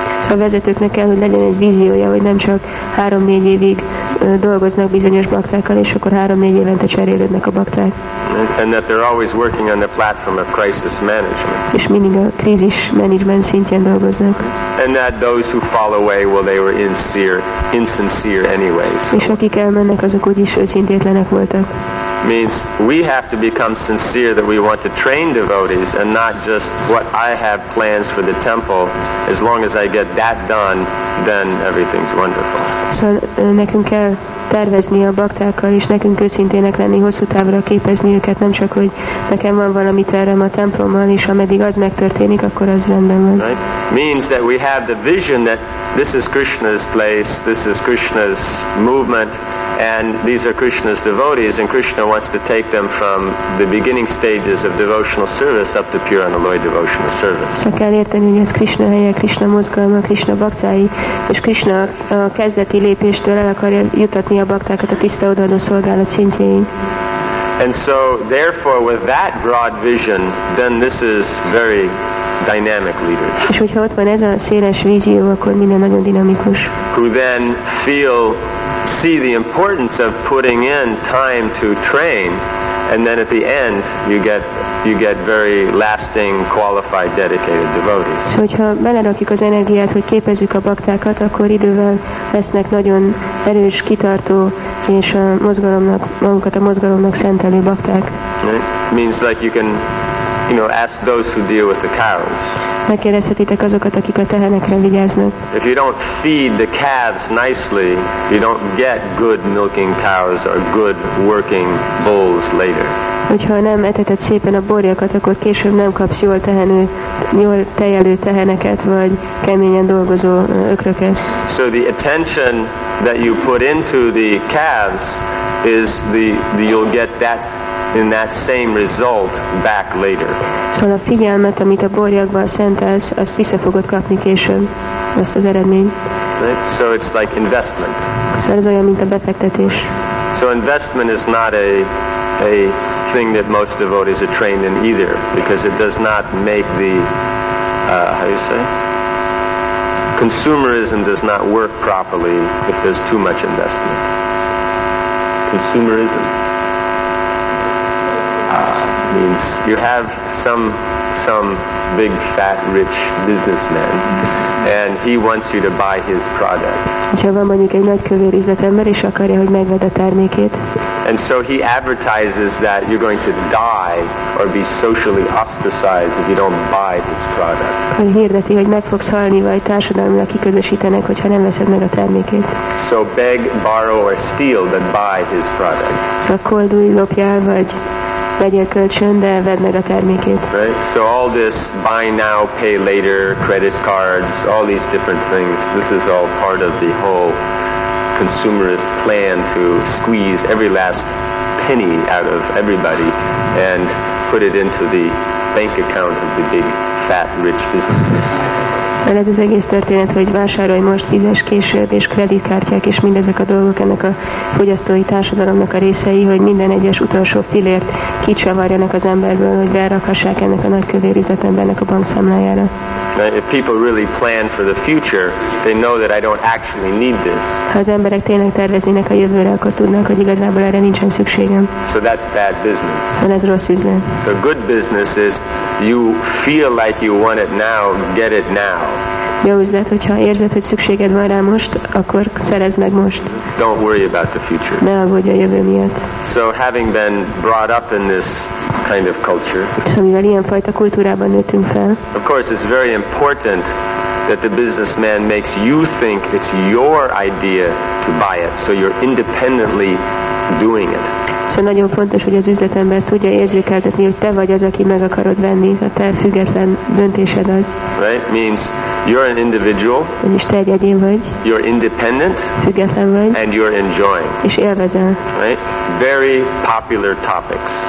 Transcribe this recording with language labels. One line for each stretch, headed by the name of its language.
Hungarian: A vezetőknek kell, hogy legyen egy víziója, hogy nem csak 3-4 évig dolgoznak bizonyos baktákkal, és akkor 3-4 évente cserélődnek a bakták.
English: And that they're always working on the platform of crisis management.
Hungarian: És mindig a krízis menedzsment szintjén dolgoznak.
English: And that those who fall away, well, they were insincere anyways.
Hungarian: És akik elmennek, azok úgyis őszintétlenek voltak.
English: Means we have to become sincere that we want to train devotees and not just what I have plans for the temple. As long as I get that done, then everything's wonderful.
Hungarian: So nekünk kell tervezni a baktákkal, és nekünk őszintének lenni, hosszú távra képezni őket, nem csak, hogy nekem van valami tervem a templommal, és ameddig az megtörténik, akkor az rendben van.
English: Right? Means that we have the vision that this is Krishna's place, this is Krishna's movement, and these are Krishna's devotees, and Krishna wants to take them from the beginning stages of devotional service up to pure and alloyed devotional service.
Hungarian: Csak kell érteni, hogy ez Krishna helye, Krishna mozgalma, Krishna baktái, és Krishna a kezdeti lépéstől el akarja jutatni a baktákat a tiszta odaadó szolgálat szintjéig.
English: And so, therefore, with that broad vision, then this is very dynamic leaders.
Hungarian: És hogyha ott van ez a széles vízió, akkor minden nagyon dinamikus.
English: Who then feel, see the importance of putting in time to train, and then at the end you get you get very lasting, qualified, dedicated devotees.
Hungarian: So, hogyha belerakjuk az energiát, hogy képezzük a baktákat, akkor idővel lesznek nagyon erős, kitartó és a mozgalomnak, magukat a mozgalomnak szentelő bakták.
English: It means like you can, you know, ask those who deal with the cows.
Hungarian: Megkérdezhetitek azokat, akik a tehenekre vigyáznak.
English: If you don't feed the calves nicely, you don't get good milking cows or good working bulls later.
Hungarian: Hogyha nem eteted szépen a borjakat, akkor később nem kapsz jól tejelő teheneket, vagy keményen dolgozó ökröket.
English: So the attention that you put into the calves is the you'll get that in that same result back later.
Hungarian: Szóval a figyelmet, amit a borjakba szentelsz, azt vissza fogod kapni később, azt az eredményt.
English: Right? So it's like investment.
Hungarian: Szóval ez olyan, mint a befektetés.
English: So investment is not a thing that most devotees are trained in either, because it does not make the consumerism does not work properly if there's too much investment. Consumerism means you have some big fat rich businessman and he wants you to buy his product.
Hungarian: Hogyha van mondjuk egy nagy kövér üzletember, és akarja, hogy megvedd a termékét.
English: And so he advertises that you're going to die or be socially ostracized if you don't buy his product.
Hungarian: Akkor hirdeti, hogy meg fogsz halni, vagy társadalmilag kiközösítenek, hogyha nem veszed meg a termékét.
English: So beg, borrow or steal, but buy his product.
Hungarian: Szóval koldulj, lopjál, vagy vegyél kölcsön, de vedd meg a termékét.
English: Right? So all this buy now, pay later, credit cards, all these different things, this is all part of the whole consumerist plan to squeeze every last penny out of everybody and put it into the bank account of the big, fat, rich businessman.
Hungarian: Szóval ez az egész történet, hogy vásárolj most, fizes később, és kreditkártyák, és mindezek a dolgok ennek a fogyasztói társadalomnak a részei, hogy minden egyes utolsó fillért kicsavarjanak az emberből, hogy berakassák ennek a nagy kövér üzletembernek a bankszámlájára.
English: If people really plan for the future, they know that I don't actually need this.
Hungarian: Ha az emberek tényleg terveznének a jövőre, akkor tudnak, hogy igazából erre nincsen szükségem.
English: So that's bad business.
Hungarian: Szóval ez rossz üzlet.
English: So good business is you feel like you want it now, get it now.
Hungarian: Jó üzlet, hogyha érzed, hogy szükséged van rá most, akkor szerezd meg most.
English: Don't worry about the future.
Hungarian: Ne aggódj a jövő miatt.
English: So having been brought up in this kind of culture.
Hungarian: Mivel ilyenfajta kultúrában nőttünk fel.
English: Of course, it's very important that the businessman makes you think it's your idea to buy it, so you're independently doing it.
Hungarian: Szóval nagyon fontos, hogy az üzletember tudja érzékeltetni, hogy te vagy az, aki meg akarod venni, a te független döntésed az.
English: Right? Means you're an individual.
Hungarian: Vagyis te egy egyén vagy.
English: You're independent.
Hungarian: Független vagy.
English: And you're enjoying.
Hungarian: És élvezel.
English: Right? Very popular topics.